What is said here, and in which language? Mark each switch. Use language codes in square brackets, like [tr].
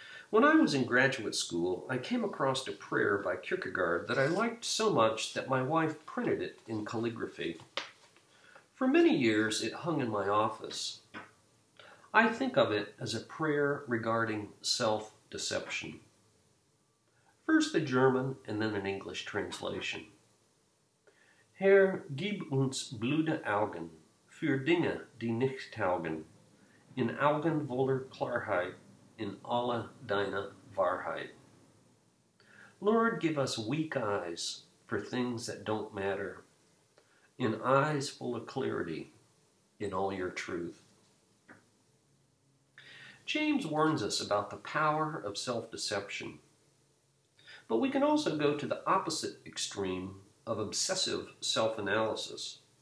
[en] When I was in graduate school, I came across a prayer by Kierkegaard that I liked so much that my wife printed it in calligraphy. For many years, it hung in my office. I think of it as a prayer regarding self-deception. First the German and then an English translation. [de] Herr, gib uns blühende Augen für Dinge, die nicht taugen, in Augen voller Klarheit, in alle deine Wahrheit. [en] Lord, give us weak eyes for things that don't matter, in eyes full of clarity, in all your truth. James warns us about the power of self-deception, but we can also go to the opposite extreme of obsessive self-analysis.